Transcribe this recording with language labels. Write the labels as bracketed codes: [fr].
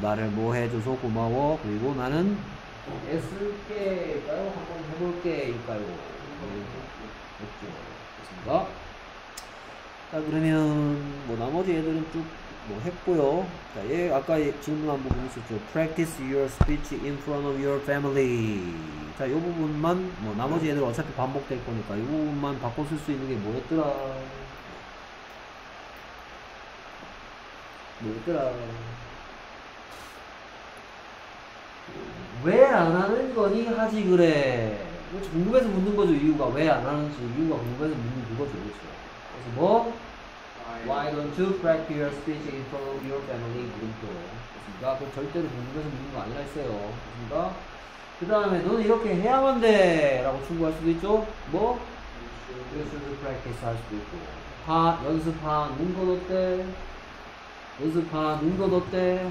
[ko] 나를 뭐 해줘서 고마워. 그리고 나는 애쓸게일까요? 한번 해볼게일까요? 됐습니다. 자, 그러면 뭐 나머지 애들은 쭉 뭐 했고요. 자, 얘 아까 질문 한 부분 있었죠. [en] Practice your speech in front of your family. [ko] 자, 요 부분만 뭐 나머지 애들 어차피 반복될 거니까 요 부분만 바꿔 쓸 수 있는 게 뭐였더라? 뭐였더라? 왜 안 하는 거니 하지 그래? 그렇지, 궁금해서 묻는 거죠. 이유가 왜 안 하는지 이유가 궁금해서 묻는 거죠. 그렇죠. 그래서 뭐? [en] Why don't you practice your speech in front of your family? [ko] 물음표. 그니까, 그 절대로 궁금해서 묻는 거 아니라 했어요. 그니까, 그 다음에, 너는 이렇게 해야만 돼! 라고 충고할 수도 있죠? 뭐? [en] You should practice [ko] 할 수도 있고. 연습하는 것 어때? 연습하는 것 어때?